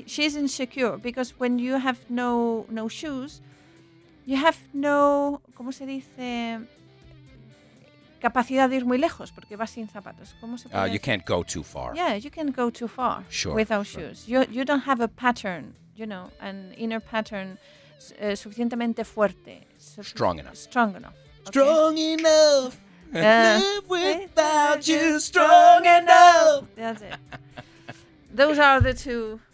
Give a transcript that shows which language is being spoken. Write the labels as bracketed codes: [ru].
[en] She's insecure because when you have no shoes, you have no. [es] ¿Cómo se dice? Capacidad de ir muy lejos porque vas sin zapatos. ¿Cómo se puede? [en] You can't go too far. Yeah, you can't go too far. Sure. Without sure. Shoes. You don't have a pattern, you know, an inner pattern. [es] Suficientemente fuerte. [en] Strong enough. Strong enough. Okay. Strong enough. Live without you. Strong enough. That's it. Those are the two.